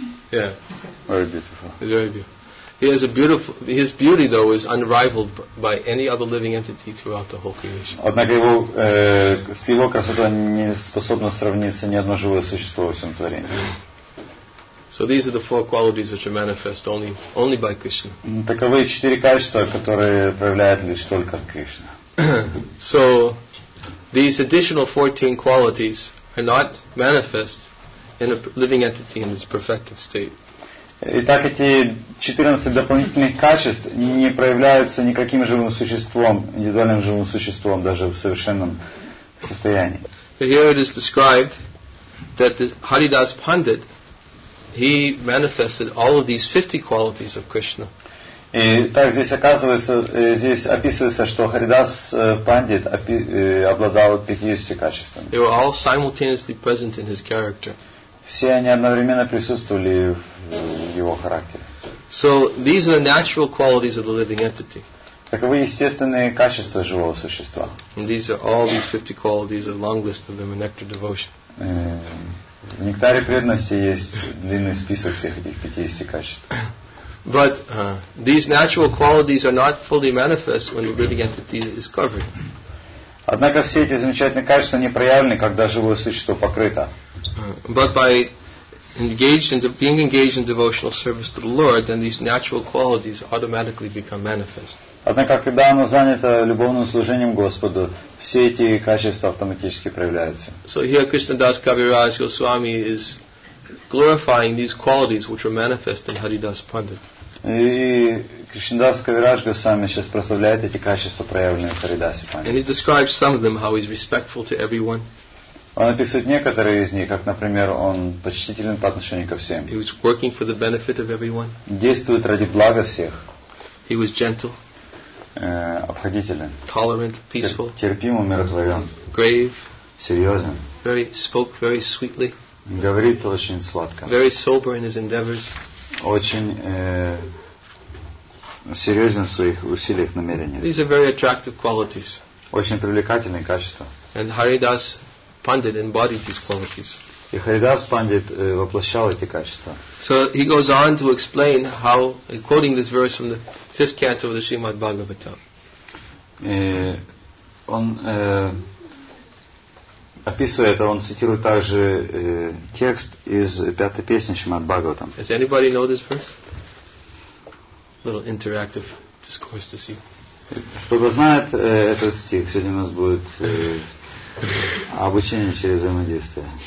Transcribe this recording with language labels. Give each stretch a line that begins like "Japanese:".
English: Yeah. Very beautiful. It's very beautiful. He has a beautiful. His beauty, though, is unrivaled by any other living entity throughout the whole creation.
Russian: Однако его с его красотой не способно сравниться ни одно живое существо во всем творении.
English: So these are the four qualities which are manifest only by Krishna.
Russian: Таковы четыре качества, которые проявляет лишь только Кришна.
English: So these additional 14 qualities are not manifest in a living entity in its perfected state.
Russian: Итак, эти 14 дополнительных качеств не проявляются никаким живым существом, индивидуальным живым существом, даже в совершенном состоянии.
English: Here it is described that the Haridas Pandit, he manifested all of these 50 qualities of Krishna.
Russian: И так здесь оказывается, здесь описывается, что Харидас Пандит обладал 50 качествами.
English: They were all simultaneously present in his character.
Russian: Все они одновременно присутствовали в его характере.
English: So these are the natural qualities of the living entity.
Russian: Таковы естественные качества живого существа.
English: And these are all these 50 qualities, a long list of them in Nectar Devotion.
Russian: В нектаре преданности есть длинный список всех этих 50 качеств.
English: But these natural qualities are not fully manifest when the living entity is covered.
Russian: Однако все эти замечательные качества не проявлены, когда живое существо покрыто.
English: But by being engaged in devotional service to the Lord, then these natural qualities automatically become manifest.
Russian: Однако, когда оно занято любовным служением Господу, все эти качества автоматически проявляются.
English: So here Krishna Das Kaviraj Goswami is glorifying these qualities which were manifest in Haridas Pandit.
Russian: И Кришнадас Кавирадж Госвами сейчас прославляет эти качества, проявленные в Харидасе Пандите.
English: And he describes some of them, how he's respectful to everyone.
Russian: Он описывает некоторые из них, как, например, он почтителен по отношению ко всем.
English: He was working for the benefit of everyone.
Russian: Действует ради блага всех.
English: He was gentle.
Russian: Обходителен.
English: Tolerant, peaceful.
Russian: Терпим, умиротворен.
English: Grave.
Russian: Серьезен.
English: Very, spoke very sweetly.
Russian: Говорит очень сладко.
English: Very sober in his endeavors.
Russian: Очень серьезен в своих усилиях, намерениях.
English: These are very attractive qualities.
Russian: Очень привлекательные качества.
English: And Haridas Pandit embodied these qualities.
Russian: И Харидас Пандит воплощал эти качества.
English: So he goes on to explain how, quoting this verse from the fifth canto of the Srimad Bhagavatam.
Russian: Описывая это, он цитирует также текст из пятой песни Шримад Бхагаватам.
English: Does anybody know this verse? A little interactive discourse to see.
Russian: Кто-то знает этот стих? Сегодня у нас будет обучение через взаимодействие.